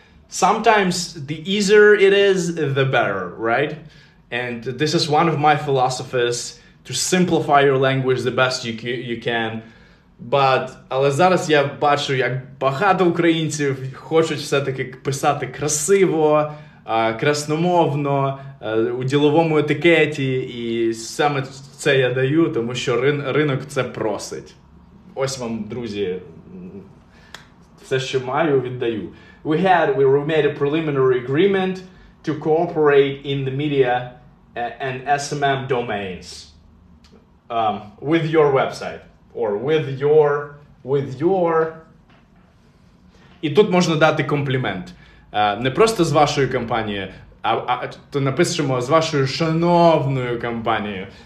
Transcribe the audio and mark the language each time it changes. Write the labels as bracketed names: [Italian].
[English] Sometimes the easier it is, the better, right? And this is one of my philosophies, to simplify your language the best you can. But, [Ukrainian] але зараз я бачу, як багато українців хочуть все-таки писати красиво, красномовно, у діловому етикеті, і саме це я даю, тому що ринок це просить. Ось вам, друзі, все, що маю, віддаю. [English] We made a preliminary agreement to cooperate in the media and SMM domains with your website or with your. [Ukrainian] І тут можна дати комплімент. Не просто з вашою компанією, а то напишемо з вашою шановною компанією.